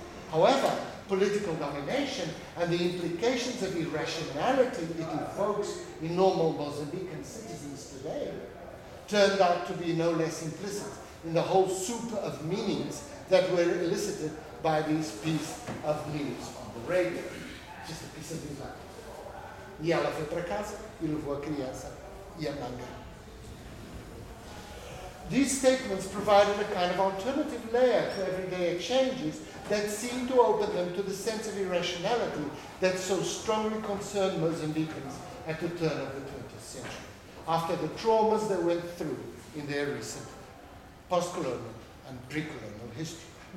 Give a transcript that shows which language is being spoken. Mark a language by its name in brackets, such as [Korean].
[English] However, political domination and the implications of irrationality it evokes in normal Mozambican citizens today turned out to be no less implicit in the whole soup of meanings that were elicited by this piece of news on the radio. Just a piece of news. [Portuguese] E ela foi para casa e levou a criança e a manga. [English] These statements provided a kind of alternative layer to everyday exchanges that seemed to open them to the sense of irrationality that so strongly concerned Mozambicans at the turn of the 20th century, after the traumas they went through in their recent postcolonial and precolonial history.